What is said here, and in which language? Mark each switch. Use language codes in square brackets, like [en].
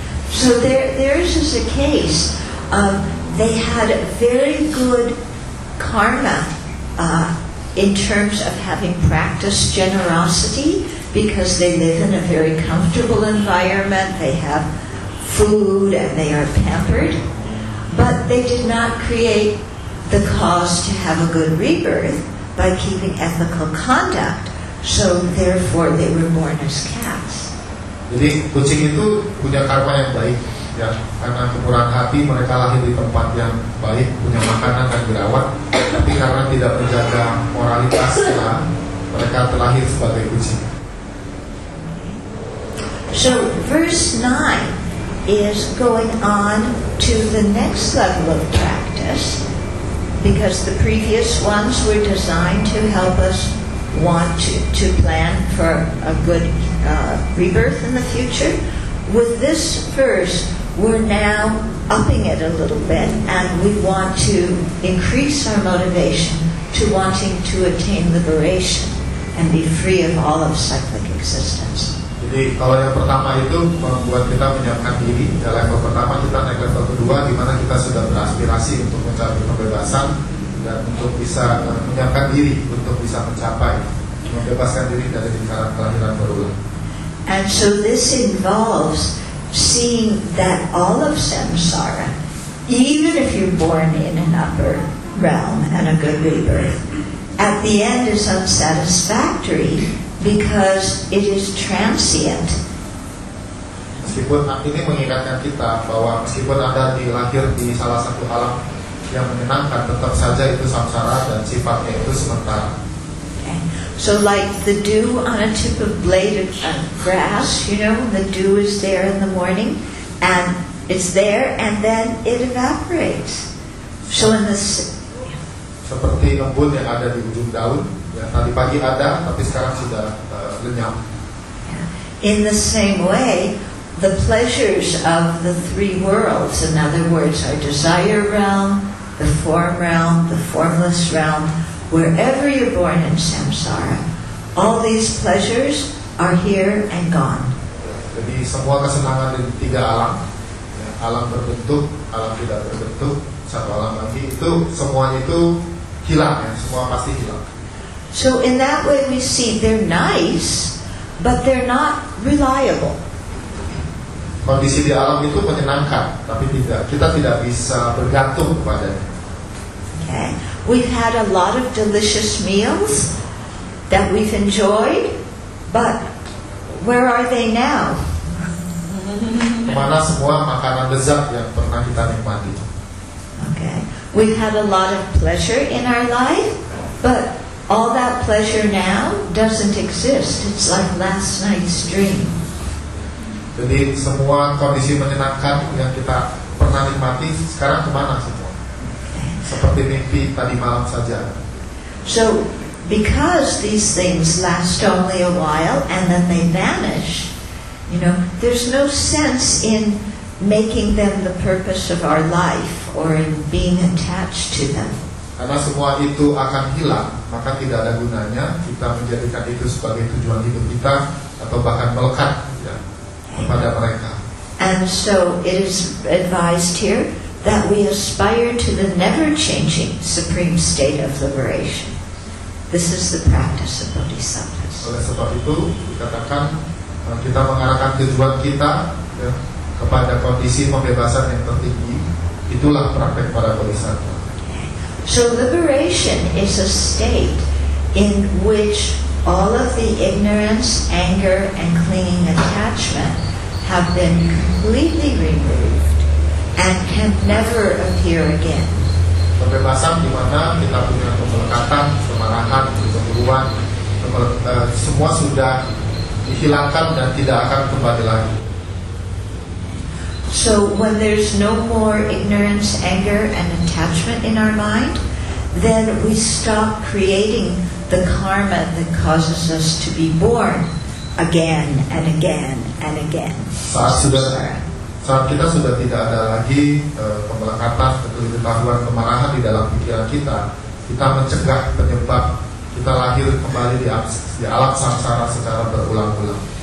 [en] So there is just a case of they had very good karma in terms of having practiced generosity because they live in a very comfortable environment, they have food and they are pampered. But they did not create the cause to have a good rebirth by keeping ethical conduct So therefore they were born as cats. [id] Jadi kucing itu punya karma yang baik, ya, karena kekurangan hati mereka lahir di tempat yang baik, punya makanan dan dirawat, tapi karena tidak menjaga moralitas ya, mereka terlahir sebagai kucing. [en] So verse 9 is going on to the next level of practice, because the previous ones were designed to help us want to plan for a good rebirth in the future. With this verse, we're now upping it a little bit, and we want to increase our motivation to wanting to attain liberation and be free of all of cyclic existence. [id] Jadi kalau yang pertama itu membuat kita menyiapkan diri, dan level pertama kita naik level kedua, di mana kita sudah beraspirasi untuk mencapai kebebasan dan untuk bisa menyiapkan diri untuk bisa mencapai membebaskan diri dari lingkaran kelahiran berulang. [en] And so this involves seeing that all of samsara, even if you're born in an upper realm and a good rebirth, at the end is unsatisfactory, because it is transient. [id] Meskipun ini mengingatkan kita bahwa meskipun Anda dilahir di salah satu alam yang menyenangkan, tetap saja itu samsara dan sifatnya itu sementara. [en] Okay. So like the dew on a tip of blade of grass, you know, the dew is there in the morning and it's there and then it evaporates. So in the [id] seperti embun yang ada di ujung daun. Ya, tadi pagi ada, tapi sekarang sudah lenyap. [en] In the same way, the pleasures of the three worlds, in other words, our desire realm, the form realm, the formless realm, wherever you're born in samsara, all these pleasures are here and gone. [id] Jadi semua kesenangan di tiga alam, ya, alam berbentuk, alam tidak berbentuk, satu alam lagi, itu semuanya itu hilang, ya, semua pasti hilang. [en] So in that way we see they're nice, but they're not reliable. [id] Kondisi di alam itu menyenangkan, tapi tidak, kita tidak bisa bergantung kepadanya. [en] Okay. We've had a lot of delicious meals that we've enjoyed, but where are they now? [id] Mana semua makanan lezat yang pernah kita nikmati? [en] Okay. We've had a lot of pleasure in our life, but all that pleasure now doesn't exist. It's like last night's dream. [id] Jadi semua kondisi menyenangkan yang kita pernah nikmati sekarang kemana semua? Seperti mimpi tadi malam saja. [en] So because these things last only a while and then they vanish, you know, there's no sense in making them the purpose of our life or in being attached to them. [id] Karena semua itu akan hilang, maka tidak ada gunanya kita menjadikan itu sebagai tujuan hidup kita atau bahkan melekat ya, kepada mereka. [en] And so it is advised here that we aspire to the never-changing supreme state of liberation. This is the practice of bodhisattvas. [id] Oleh sebab itu dikatakan kita mengarahkan tujuan kita ya, kepada kondisi pembebasan yang tertinggi. Itulah praktek para bodhisattva. [en] So liberation is a state in which all of the ignorance, anger, and clinging attachment have been completely removed and can never appear again. [id] Pembebasan di mana kita punya pemberkatan, kemarahan, kecemburuan, semua sudah dihilangkan dan tidak akan kembali lagi. [en] So when there's no more ignorance, anger, and attachment in our mind, then we stop creating the karma that causes us to be born again and again and again. [id] Saat kita sudah tidak ada lagi pemelekatan, ketidakpahaman, kemarahan di dalam pikiran kita, kita mencegah penyebab kita lahir kembali di alam samsara secara berulang-ulang.